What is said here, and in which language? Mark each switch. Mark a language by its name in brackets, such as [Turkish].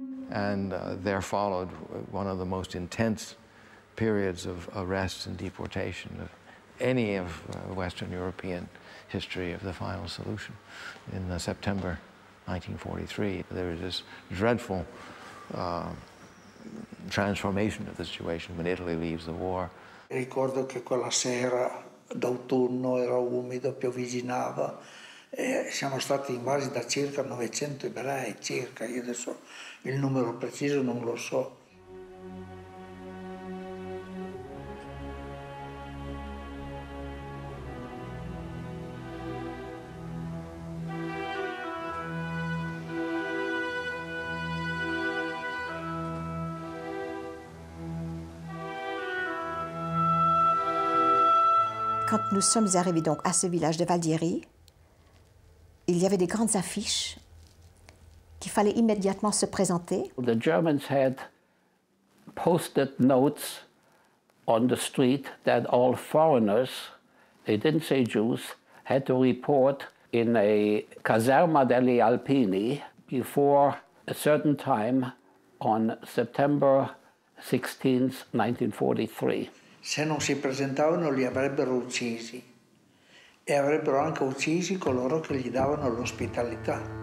[English] And there followed one of the most intense periods of arrests and deportation of any of Western European history of the Final Solution. In September 1943, there was this dreadful transformation of the situation when Italy leaves the war. [Italian] Ricordo che quella sera d'autunno era umido, piovigginava, e siamo stati invasi da circa 900 ebrei, circa, io adesso il numero preciso non lo so. [French] Quand nous sommes arrivés donc à ce village de Valdieri, il y avait des grandes affiches qu'il fallait immédiatement se présenter. [English] The Germans had posted notes on the street that all foreigners, they didn't say Jews, had to report in a [Italian] caserma degli Alpini [English] before a certain time on September 16, 1943. [Italian] Se non si presentavano li avrebbero uccisi e avrebbero anche uccisi coloro che gli davano l'ospitalità.